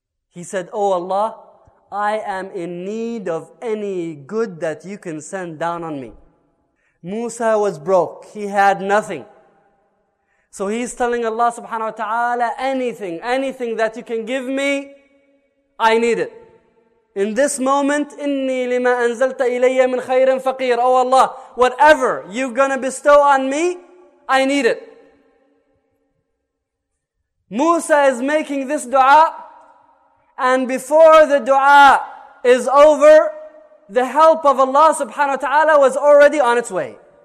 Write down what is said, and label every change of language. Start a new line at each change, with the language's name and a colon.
English: He said, "Oh Allah, I am in need of any good that you can send down on me." Musa was broke. He had nothing. So he's telling Allah subhanahu wa ta'ala, anything that you can give me, I need it. In this moment,
Arabic: إِنِّي لِمَا أَنزَلْتَ إِلَيَّ مِنْ خَيْرٍ فَقِيرٍ.
English: Oh Allah, whatever you're going to bestow on me, I need it. Musa is making this dua, and before the dua is over, the help of Allah subhanahu wa ta'ala was already on its way.